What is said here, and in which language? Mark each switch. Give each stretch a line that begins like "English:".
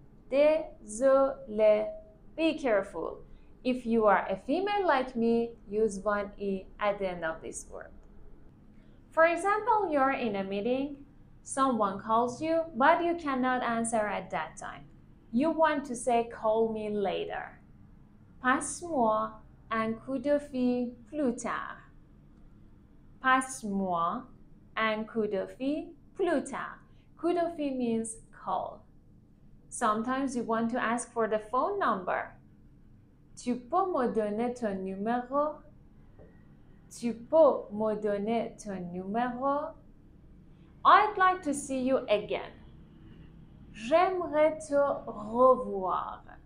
English: Désolé. Be careful. If you are a female like me, use one E at the end of this word. For example, you're in a meeting, someone calls you, but you cannot answer at that time. You want to say, call me later.
French: Passe-moi un coup de fil plus tard. Passe-moi un coup de fil plus tard.
English: Coup de fil means call. Sometimes you want to ask for the phone number.
French: Tu peux me donner ton numéro? Tu peux me donner ton numéro?
English: I'd like to see you again.
French: J'aimerais te revoir.